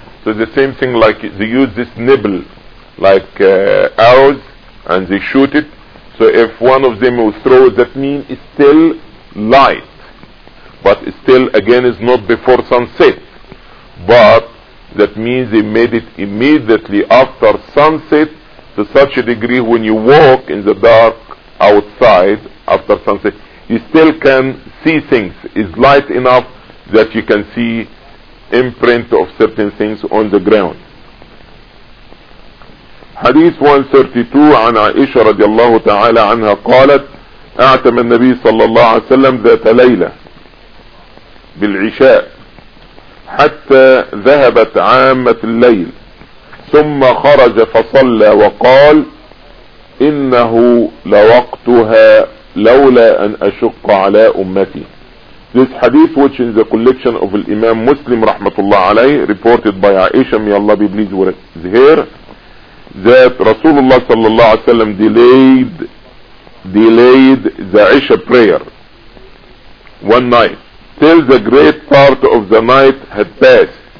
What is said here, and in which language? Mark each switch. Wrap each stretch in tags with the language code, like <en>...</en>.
<en>So the same thing, like they use this nibble like arrows and they shoot it, so if one of them will throw, that means it's still light, but it's still again is not before sunset, but that means they made it immediately after sunset to such a degree when you walk in the dark outside after sunset you still can see things. It's light enough that you can see imprint of certain things on the ground. Hadith 132</en> <ar>عن عائشة رضي الله تعالى عنها قالت أعتم النبي صلى الله عليه وسلم ذات ليلة بالعشاء حتى ذهبت عامة الليل ثم خرج فصلى وقال إنه لوقتها لولا أن أشق على أمتي.</ar> <en>This hadith which in the collection of Imam Muslim</en> <ar>رحمة الله عليه</ar> <en>reported by Aisha, may Allah be pleased with her, that Rasulullah</en> <ar>صلى الله عليه وسلم</ar> <en>delayed the Isha prayer one night till the great part of the night had passed.</en>